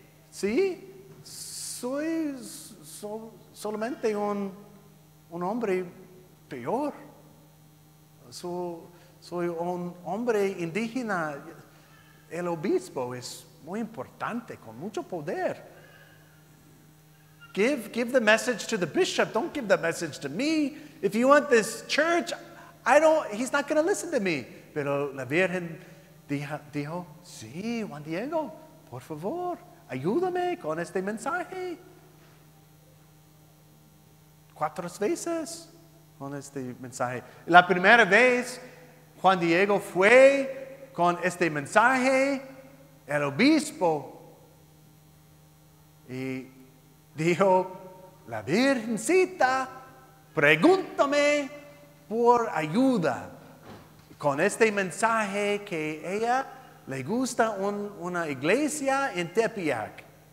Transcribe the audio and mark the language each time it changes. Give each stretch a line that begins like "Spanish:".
Spanish: ¿Sí? Soy solamente un hombre peor. Soy un hombre indígena. El obispo es muy importante, con mucho poder.
English: Give the message to the bishop. Don't give the message to me. If you want this church, he's not going to listen to me.
Spanish: Pero la Virgen dijo, sí, Juan Diego, por favor, ayúdame con este mensaje. Cuatro veces con este mensaje. La primera vez, Juan Diego fue con este mensaje, el obispo, y dijo, la Virgencita, pregúntame por ayuda con este mensaje que ella le gusta una iglesia en Tepeyac.